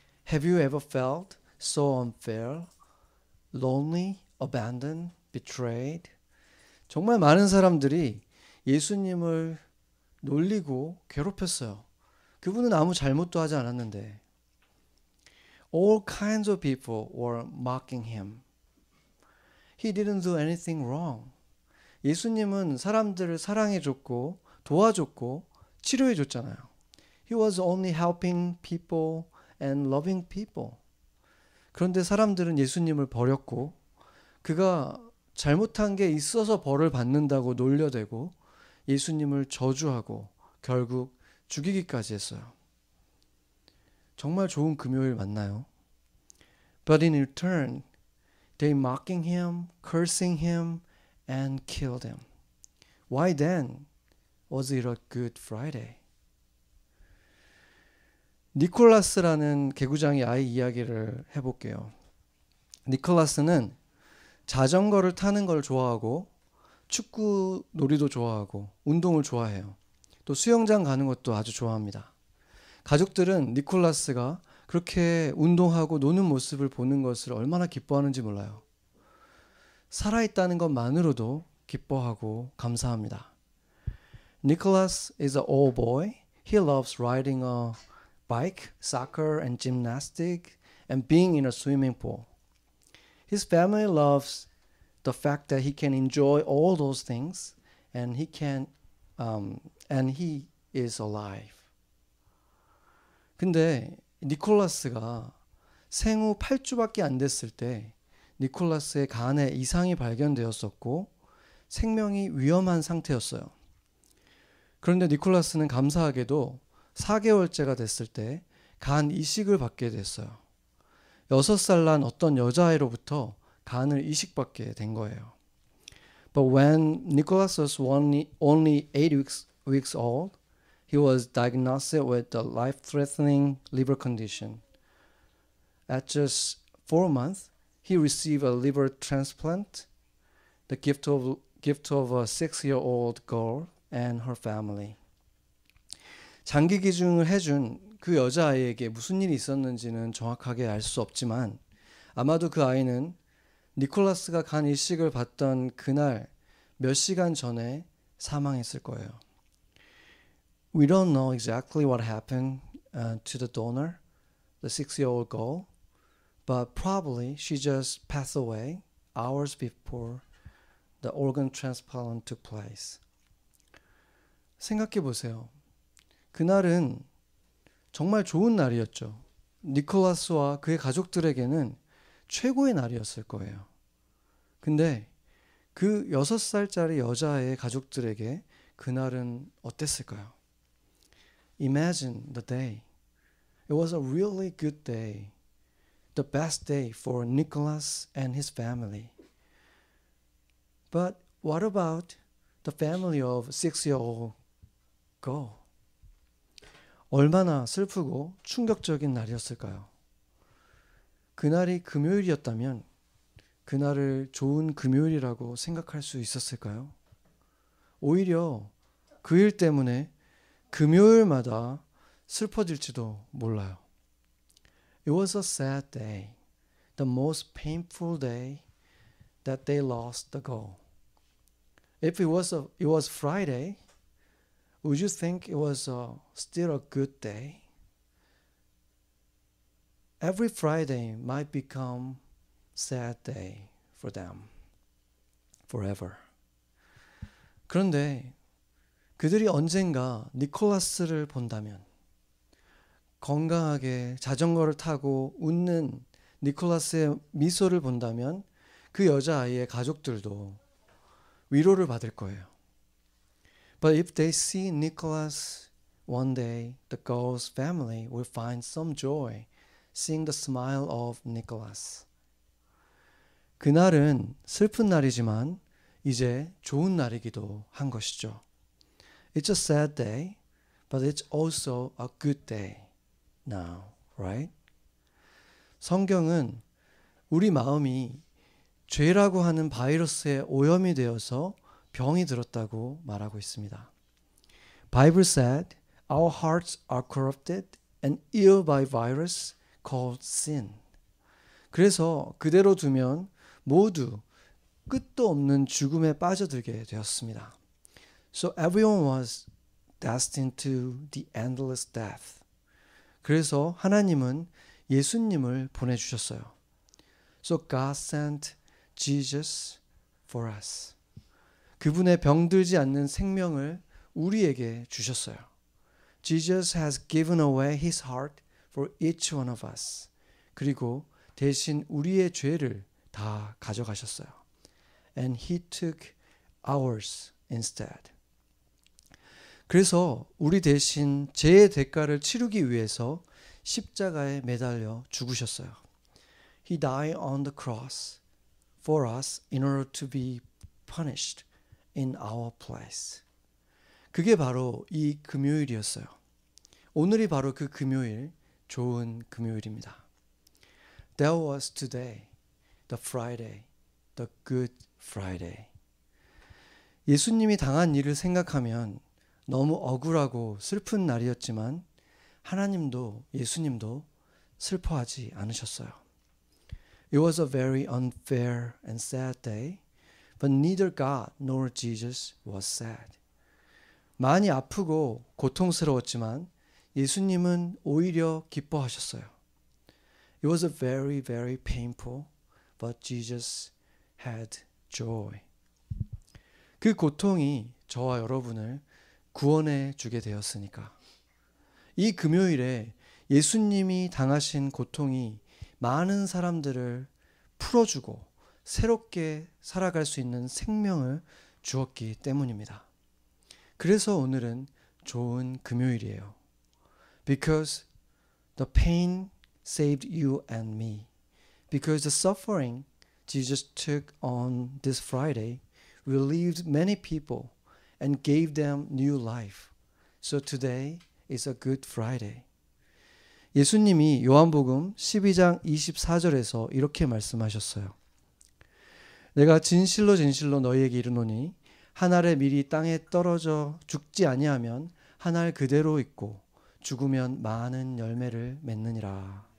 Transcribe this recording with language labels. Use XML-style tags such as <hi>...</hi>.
<en>Have you ever felt so unfair, lonely, abandoned, betrayed?</en> <ko>정말 많은 사람들이 예수님을 놀리고 괴롭혔어요. 그분은 아무 잘못도 하지 않았는데.</ko> <en>All kinds of people were mocking him. He didn't do anything wrong.</en> <ko>예수님은 사람들을 사랑해줬고 도와줬고 치료해줬잖아요.</ko> <en>He was only helping people and loving people.</en> <ko>그런데 사람들은 예수님을 버렸고 그가 잘못한 게 있어서 벌을 받는다고 놀려대고 예수님을 저주하고 결국 죽이기까지 했어요. 정말 좋은 금요일 맞나요?</ko> <en>But in return, they mocking him, cursing him, and killed him. Why then was it a good Friday?</en> <ko>니콜라스라는 개구장이 아이 이야기를 해볼게요. 니콜라스는 자전거를 타는 걸 좋아하고 축구 놀이도 좋아하고 운동을 좋아해요. 또 수영장 가는 것도 아주 좋아합니다. 가족들은 니콜라스가 그렇게 운동하고 노는 모습을 보는 것을 얼마나 기뻐하는지 몰라요. 살아있다는 것만으로도 기뻐하고 감사합니다.</ko> <en>Nicholas is an old boy. He loves riding a bike, soccer, and gymnastics, and being in a swimming pool. His family loves the fact that he can enjoy all those things, and he can, and he is alive.</en> <ko>근데 니콜라스가 생후 8주밖에 안 됐을 때 니콜라스의 간에 이상이 발견되었었고 생명이 위험한 상태였어요. 그런데 니콜라스는 감사하게도 4개월째가 됐을 때 간 이식을 받게 됐어요. 6살 난 어떤 여자아이로부터 간을 이식받게 된 거예요.</ko> <en>But when Nicholas was only 8 weeks old, he was diagnosed with a life-threatening liver condition. At just 4 months, he received a liver transplant, the gift of a 6-year-old girl and her family.</en> <ko>장기 기증을 해준 그 여자아이에게 무슨 일이 있었는지는 정확하게 알 수 없지만 아마도 그 아이는 니콜라스가 간 이식을 받던 그날 몇 시간 전에 사망했을 거예요.</ko> <en>We don't know exactly what happened to the donor, the 6-year-old girl, but probably she just passed away hours before the organ transplant took place.</en> <ko>생각해 보세요. 그날은 정말 좋은 날이었죠. 니콜라스와 그의 가족들에게는 최고의 날이었을 거예요. 근데 그 6살짜리 여자의 가족들에게 그날은 어땠을까요?</ko> <en>Imagine the day. It was a really good day. The best day for Nicholas and his family. But what about the family of 6-year-old girl?</en> <ko>얼마나 슬프고 충격적인 날이었을까요? 그날이 금요일이었다면 그날을 좋은 금요일이라고 생각할 수 있었을까요? 오히려 그 일 때문에 금요일마다 슬퍼질지도 몰라요.</ko> <en>It was a sad day, the most painful day that they lost the girl. If it was Friday, would you think it was still a good day? Every Friday might become sad day for them forever.</en> <ko>그런데 그들이 언젠가 니콜라스를 본다면 건강하게 자전거를 타고 웃는 니콜라스의 미소를 본다면 그 여자아이의 가족들도 위로를 받을 거예요.</ko> <en>But if they see Nicholas one day, the girl's family will find some joy seeing the smile of Nicholas.</en> <ko>그날은 슬픈 날이지만 이제 좋은 날이기도 한 것이죠.</ko> <en>It's a sad day, but it's also a good day now, right?</en> <ko>성경은 우리 마음이 죄라고 하는 바이러스에 오염이 되어서 병이 들었다고 말하고 있습니다.</ko> <en>Bible said, our hearts are corrupted and ill by virus called sin.</en> <ko>그래서 그대로 두면 모두 끝도 없는 죽음에 빠져들게 되었습니다.</ko> <en>So everyone was destined to the endless death.</en> <ko>그래서 하나님은 예수님을 보내주셨어요.</ko> <en>So God sent Jesus for us.</en> <ko>그분의 병들지 않는 생명을 우리에게 주셨어요.</ko> <en>Jesus has given away his heart for each one of us.</en> <ko>그리고 대신 우리의 죄를 다 가져가셨어요.</ko> <en>And he took ours instead.</en> <ko>그래서 우리 대신 죄의 대가를 치르기 위해서 십자가에 매달려 죽으셨어요.</ko> <en>He died on the cross for us in order to be punished in our place.</en> <ko>그게 바로 이 금요일이었어요. 오늘이 바로 그 금요일, 좋은 금요일입니다.</ko> <en>That was today, the Friday, the good Friday.</en> <ko>예수님이 당한 일을 생각하면 너무 억울하고 슬픈 날이었지만 하나님도 예수님도 슬퍼하지 않으셨어요.</ko> <en>It was a very unfair and sad day, but neither God nor Jesus was sad.</en> <ko>많이 아프고 고통스러웠지만 예수님은 오히려 기뻐하셨어요.</ko> <en>It was a very, very painful, but Jesus had joy.</en> <ko>그 고통이 저와 여러분을 구원해 주게 되었으니까. 이 금요일에 예수님이 당하신 고통이 많은 사람들을 풀어주고 새롭게 살아갈 수 있는 생명을 주었기 때문입니다. 그래서 오늘은 좋은 금요일이에요.</ko> <en>Because the pain saved you and me. Because the suffering Jesus took on this Friday relieved many people and gave them new life. So today is a good Friday.</en> <ko>예수님이 요한복음 12장 24절에서 이렇게 말씀하셨어요. 내가 진실로 진실로 너희에게 이르노니 한 알의 밀이 땅에 떨어져 죽지 아니하면 한 알 그대로 있고 죽으면 많은 열매를 맺느니라.</ko>